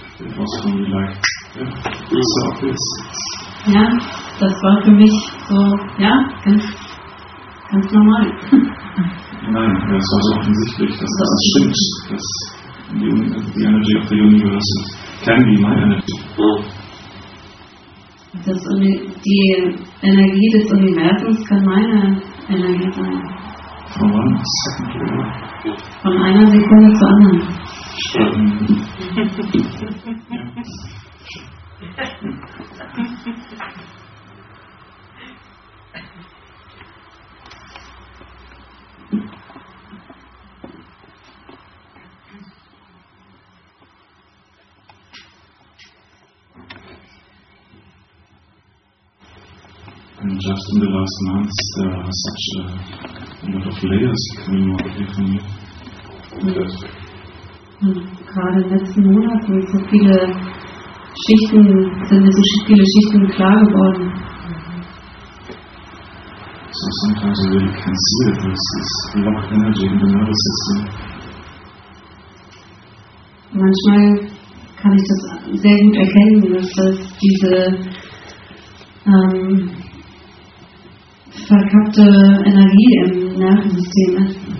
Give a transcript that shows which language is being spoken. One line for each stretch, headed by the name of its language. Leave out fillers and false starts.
English: It was for me like, yeah, so this.
German: Ja, das war für mich so, ja, ganz normal. Nein, es war so offensichtlich, dass das stimmt, dass die
English: Energy of the Universe can be my energy.
German: Das die Energie des Universums kann meine Energie sein.
English: From one second to another.
German: Von einer Sekunde zur anderen.
English: And just in the last months, there are such a lot of layers coming out here for me.
German: Gerade in den letzten Monaten sind so viele Schichten klar geworden.
English: So sometimes I really can see that there's this locked energy in the nervous system.
German: Manchmal kann ich das sehr gut erkennen, dass das diese verkappte Energie im Nervensystem ist.